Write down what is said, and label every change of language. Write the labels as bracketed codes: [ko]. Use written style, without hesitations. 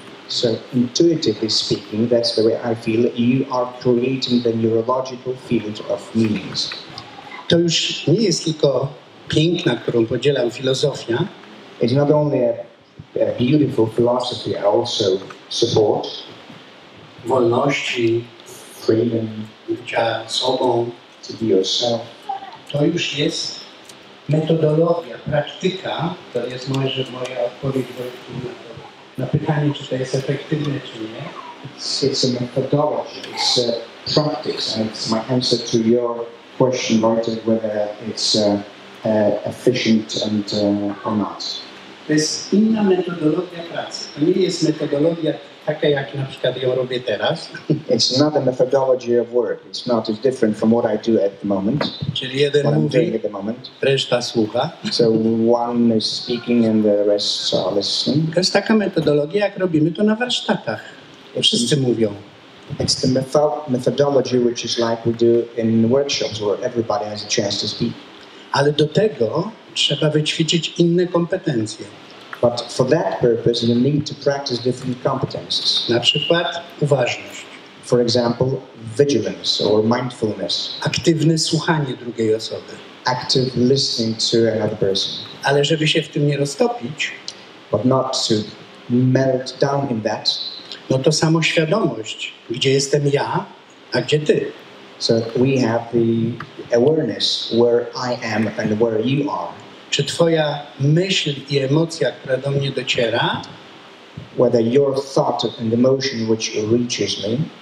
[en] So intuitively speaking, that's the way I feel, you are creating the neurological field of meanings. [pl] To już nie jest tylko piękna, którą podzielam, filozofia. [en] It's not only a beautiful philosophy I also support. [pl] Wolności, [en] freedom, [pl] bycia sobą, [en] to be yourself. [pl] To już jest metodologia, praktyka, to jest moja odpowiedź na pytanie, czy to jest efektywne, czy nie. [en] It's a methodology, it's a practice, and it's my answer to your question about it, whether it's efficient and or not. [pl] To jest inna metodologia pracy. To nie jest metodologia taka, jak na przykład ją robię teraz. [en] It's not a methodology of work. It's not as different from what I do at the moment. [pl] Czyli jeden mówi, [en] at the moment. [pl] Reszta słucha. [en] So one is speaking and the rest are listening. [pl] To jest taka metodologia, jak robimy to na warsztatach. Wszyscy mówią. [en] It's the methodology which is like we do in workshops where everybody has a chance to speak. [pl] Ale do tego trzeba wyćwiczyć inne kompetencje. [en] But for that purpose, you need to practice different competences. [pl] Na przykład uważność. [en] For example, vigilance or mindfulness. [pl] Aktywne słuchanie drugiej osoby. [en] Active listening to another person. [pl] Ale żeby się w tym nie roztopić. [en] But not to melt down in that. [pl] No to samo świadomość, gdzie jestem ja, a gdzie ty. [en] So we have the awareness where I am and where you are. [pl] Czy twoja myśl i emocja, która do mnie dociera, [en] whether your thought and emotion which reaches me,